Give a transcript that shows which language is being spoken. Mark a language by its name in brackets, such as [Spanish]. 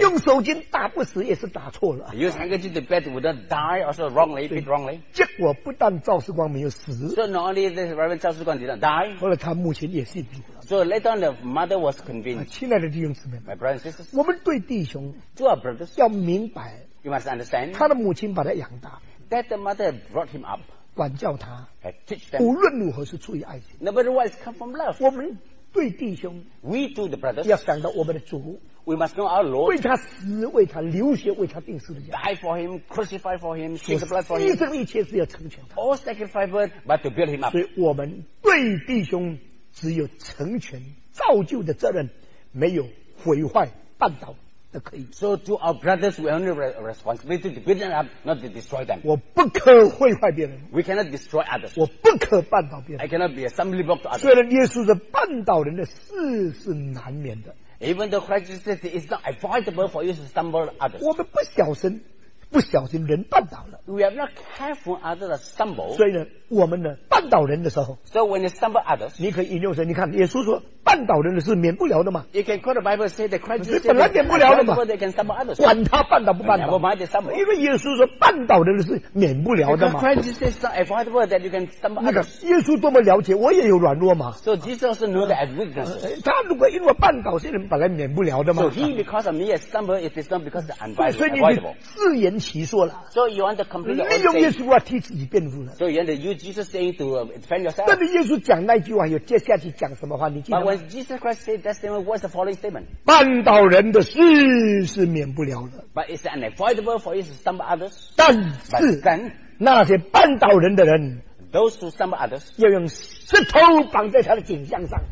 [Chinese] 用手巾打不死也是打错了。 [English] Use handkerchief to beat without die also wrongly beat wrongly. [Chinese] 结果不但赵世光没有死。 [English] So not only this Reverend 赵世光didn't die. [Chinese] 后来他母亲也信主。 [English] So later on, the mother was convinced. [Chinese] 亲爱的弟兄姊妹 [English] my brothers and sisters, [Chinese] 我们对弟兄 [English] to our brothers, [Chinese] 要明白 [English] you must understand, [Chinese] 他的母亲把他养大 [English] that the mother brought him up, [Chinese] 管教他 [English] had teach them, [Chinese] 无论如何是出于爱心 [English] no matter what, it's come from love. [Chinese] 我们对弟兄 [English] we to the brothers, [Chinese] 要想到我们的主 [English] we must know our Lord, [Chinese] 为他死为他流血为他钉十字架 [English] die for him, crucify for him, shed the blood for him, [Chinese] 牺牲一切是要成全他 [English] all sacrifice for him, but to build him up. [Chinese] 所以我们对弟兄只有成全造就的责任没有毁坏绊倒的可以 [English] so to our brothers we only have a responsibility to build them up not to destroy them [Chinese] 我不可毁坏别人 [English] we cannot destroy others [Chinese] 我不可绊倒别人 [English] I cannot be a stumbling block to others [Chinese] 虽然耶稣是绊倒人的事是难免的 [English] even though Christ says it's not avoidable for you to stumble others [Chinese] 我们不小心不小心人绊倒了 [English] We are not careful others stumble [Chinese] 所以呢我们呢绊倒人的时候 [English] So when you stumble others [Chinese] 你可以引用神你看耶稣说绊倒人的是免不了的嘛 [English] You can quote the Bible say that Christ is [Chinese] 本来免不了的嘛 [English] They can stumble others [Chinese] 管他绊倒不绊倒 [English] Never mind they stumble [Chinese] 因为耶稣说绊倒人的是免不了的嘛 [English] Because Christ says not avoidable that you can stumble others [Chinese] 那个耶稣多么了解我也有软弱嘛 [English] So Jesus knew that as weaknesses [Chinese] 他如果因为绊倒是人本来免不了的嘛 [English] So he because of me has stumbled if it's not because the unavoidable [Chinese] 所以你自言其说了 [English] So you want to complete the whole thing [Chinese] 利用耶稣要替自己辩护了 [English] So you want to Jesus saying to defend yourself. [Chinese] 但是耶稣讲那句话，又接下去讲什么话？你记得吗 [English] ？But when Jesus Christ said that statement, what's the following statement? [Chinese] 绊倒人的事是免不了的。 [English] But it's unavoidable for you to stumble others. [Chinese] 但是，那些绊倒人的人 [English] those to some others. [Chinese] 要用石头绑在他的颈项上。